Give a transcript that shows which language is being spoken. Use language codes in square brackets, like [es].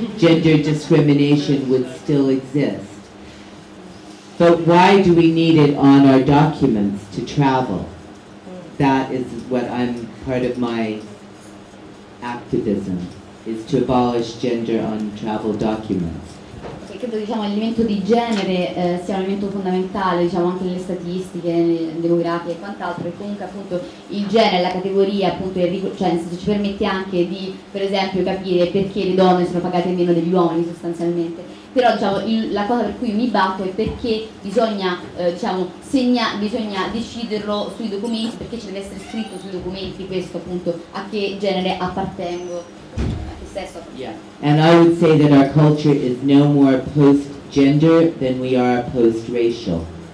[en] Gender discrimination would still exist. But why do we need it on our documents to travel? That is what I'm, part of my activism, is to abolish gender on travel documents. [it] E credo diciamo l'elemento di genere sia un elemento fondamentale, diciamo anche nelle statistiche, nelle demografie e quant'altro, e comunque appunto il genere, la categoria, appunto, cioè nel senso ci permette anche di, per esempio, capire perché le donne sono pagate meno degli uomini sostanzialmente. però diciamo, la cosa per cui mi batto è perché bisogna, diciamo, bisogna deciderlo sui documenti, perché ci deve essere scritto sui documenti questo appunto a che genere appartengo, a che sesso appartengo. [en] Yeah. And I would say that our culture is no more post-gender than we are post-racial.